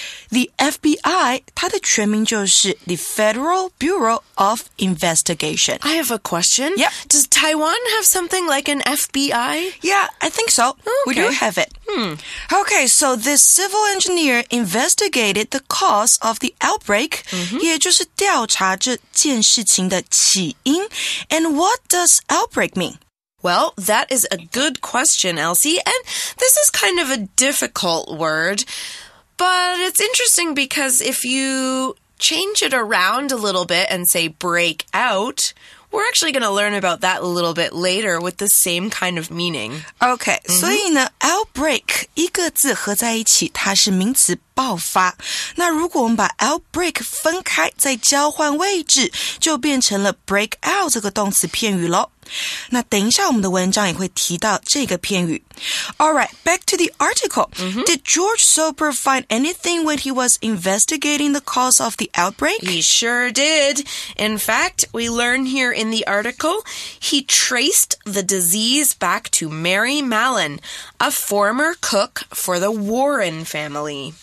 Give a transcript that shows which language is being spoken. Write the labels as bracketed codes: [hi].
[en] The FBI, 它的全名就是 the Federal Bureau of Investigation. I have a question. Yeah. Does Taiwan have something like an FBI? Yeah, I think so. Okay. We do have it. Okay, so this civil engineer investigated the cause of the outbreak,、mm-hmm. [zh] 也就是调查这件事情的起因。 [en] And what does outbreak mean? Well, that is a good question, Elsie. And this is kind of a difficult word. But it's interesting because if you change it around a little bit and say break out, we're actually going to learn about that a little bit later with the same kind of meaning. [zh] Okay,、mm-hmm. 所以呢 outbreak 一个字合在一起它是名词爆发。那如果我们把 outbreak 分开再交换位置就变成了 break out 这个动词片语咯。那等一下我们的文章也会提到这个片语。 [en] Alright, back to the article.、 Mm-hmm. Did George Soper find anything when he was investigating the cause of the outbreak? He sure did. In fact, we learn here in the article, he traced the disease back to Mary Mallon, a former cook for the Warren family.